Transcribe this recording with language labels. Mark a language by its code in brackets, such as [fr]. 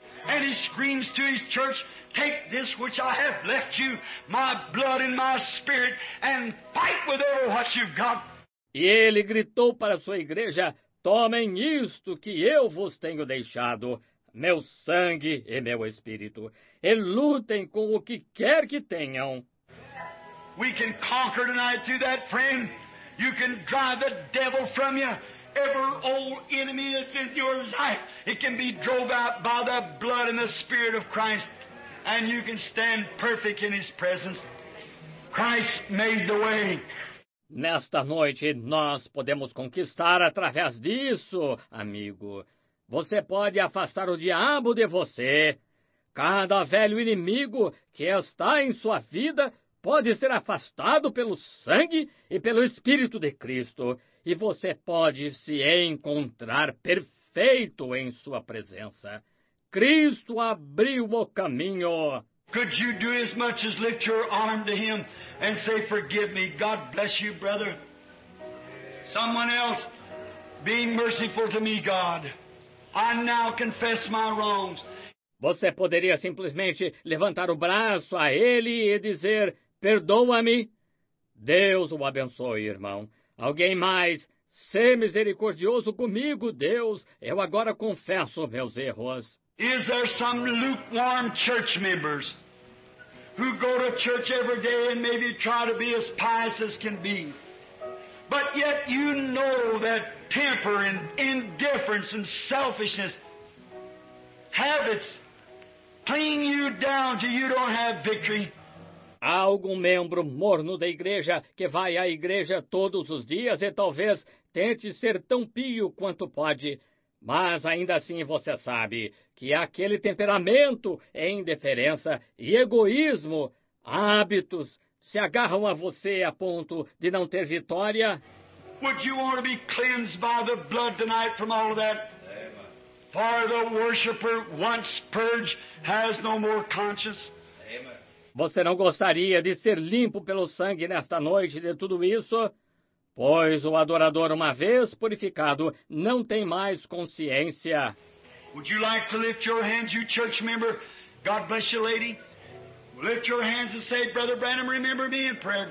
[en] And he screams to his church, take this which I have left you, my blood and my spirit, and fight with all what you've got. [pt] E ele gritou para sua igreja, tomem isto que eu vos tenho deixado, meu sangue e meu espírito, e lutem com o que quer que tenham. [en] We can conquer tonight through that, friend. You can drive the devil from you. Every old enemy that's in your life, it can be drove out by the blood and the spirit of Christ, and you can stand perfect in his presence. Christ made the way. [pt] Nesta noite, nós podemos conquistar através disso, amigo. Você pode afastar o diabo de você. Cada velho inimigo que está em sua vida pode ser afastado pelo sangue e pelo Espírito de Cristo. E você pode se encontrar perfeito em sua presença. Cristo abriu o caminho. [en] Could you do as much as lift your arm to him and say, forgive me, God bless you, brother. Someone else, be merciful to me, God. I now confess my wrongs. [pt] Você poderia simplesmente levantar o braço a ele e dizer, perdoa-me. Deus o abençoe, irmão. Alguém mais, ser misericordioso comigo, Deus. Eu agora confesso meus erros. [en] Is there some lukewarm church members who go to church every day and maybe try to be as pious as can be? But yet you know that temper and indifference and selfishness, habits, clinging you down till you don't have victory. [pt] Há algum membro morno da igreja que vai à igreja todos os dias e talvez tente ser tão pio quanto pode. Mas ainda assim você sabe que aquele temperamento é indiferença e egoísmo, hábitos, se agarram a você a ponto de não ter vitória. [en] Would you want to be cleansed by the blood tonight from all of that? Amen. For the worshipper, once purged, has no more conscience. [pt] Você não gostaria de ser limpo pelo sangue nesta noite de tudo isso? Pois o adorador, uma vez purificado, não tem mais consciência. [en] Would you like to lift your hands, you church member? God bless you, lady. Lift your hands and say, Brother Branham, remember me in prayer.